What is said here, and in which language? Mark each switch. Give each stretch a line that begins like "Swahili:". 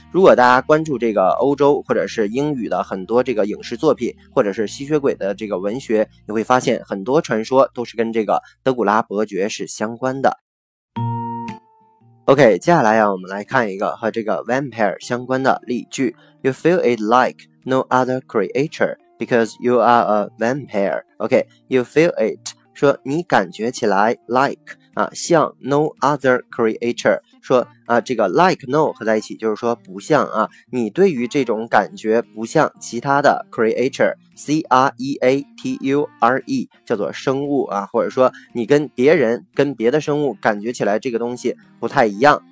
Chinese: 如果大家关注这个欧洲或者是英语的很多这个影视作品，或者是吸血鬼的这个文学，你会发现很多传说都是跟这个德古拉伯爵是相关的。 OK， 接下来啊，我们来看一个和这个 vampire 相关的例句。
English: You feel it like no other creature because you are a vampire.
Chinese: OK，
English: you feel it，
Chinese: 说你感觉起来 like 啊，像 no other creature， 说啊，这个 like no 合在一起就是说不像啊，你对于这种感觉不像其他的 creature。 C-R-E-A-T-U-R-E 叫做生物啊，或者说你跟别人跟别的生物感觉起来这个东西不太一样。